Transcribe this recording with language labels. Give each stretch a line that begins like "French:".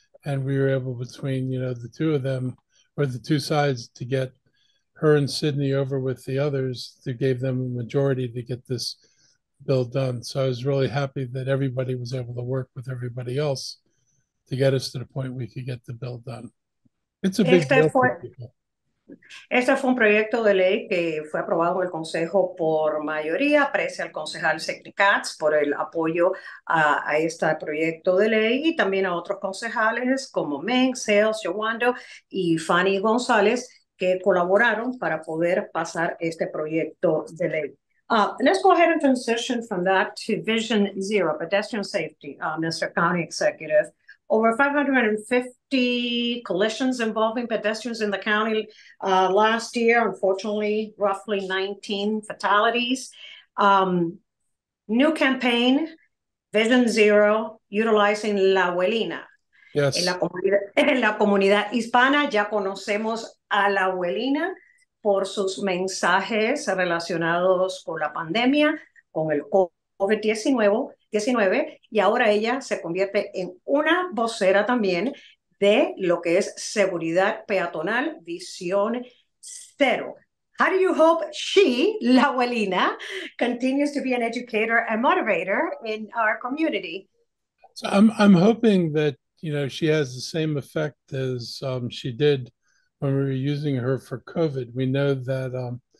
English: And we were able between, you know, the two of them or the two sides to get her and Sydney over with the others that gave them a majority to get this bill done. So I was really happy that everybody was able to work with everybody else to get us to the point we could get the bill done. It's a big deal for people.
Spanish: Este fue un proyecto de ley que fue aprobado en el Consejo por mayoría. Aprecio al concejal Sidney Katz por el apoyo a este proyecto de ley y también a otros concejales como Meng, Sales, Yowando y Fanny González, que colaboraron para poder pasar este proyecto de ley.
English: Let's go ahead and transition from that to Vision Zero, pedestrian safety, Mr. County Executive. Over 550 collisions involving pedestrians in the county last year, unfortunately, roughly 19 fatalities. New campaign, Vision Zero, utilizing La Abuelina. Yes.
Spanish: En la comunidad hispana ya conocemos a la abuelina por sus mensajes relacionados con la pandemia, con el COVID-19, y ahora ella se convierte en una vocera también de lo que es seguridad peatonal, visión cero.
English: How do you hope she, la abuelina, continues to be an educator and motivator in our community? So I'm hoping that, you know, she has the same effect as she did when we were using her for COVID. We know that,